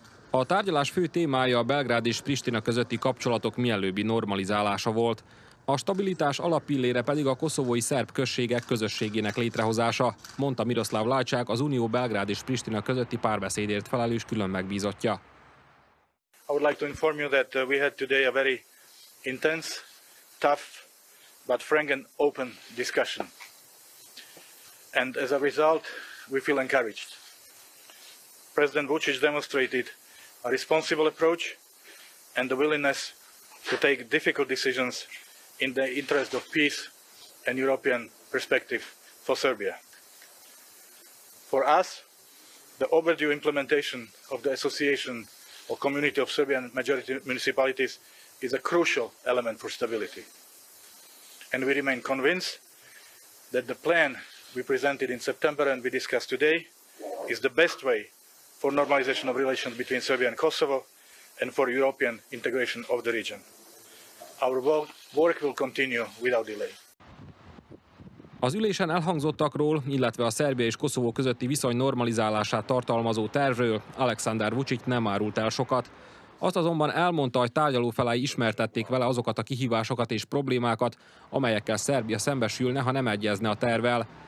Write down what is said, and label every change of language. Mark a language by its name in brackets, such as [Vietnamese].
[Hungarian] A tárgyalás fő témája a Belgrád és Pristina közötti kapcsolatok mielőbbi normalizálása volt. A stabilitás alapillére pedig a koszovói szerb községek közösségének létrehozása, mondta Miroslav Lajcsák, az Unió Belgrád és Pristina közötti párbeszédért felelős külön megbízottja. [English] I would like to inform you that we had today a very intense, tough, but frank and open discussion. And as a result, we feel encouraged. President Vučić demonstrated a responsible approach and the willingness to take difficult decisions in the interest of peace and European perspective for Serbia. For us, the overdue implementation of the association or community of Serbian majority municipalities is a crucial element for stability. And we remain convinced that the plan we presented in September and we discussed today is the best way for normalization of relations between Serbia and Kosovo and for European integration of the region. Our work will continue without delay. [Hungarian] Az ülésen elhangzottakról, illetve a Szerbia és Koszovó közötti viszony normalizálását tartalmazó tervről Alekszandar Vučić nem árult el sokat. Azt azonban elmondta, hogy tárgyalófelei ismertették vele azokat a kihívásokat és problémákat, amelyekkel Szerbia szembesülne, ha nem egyezne a tervvel.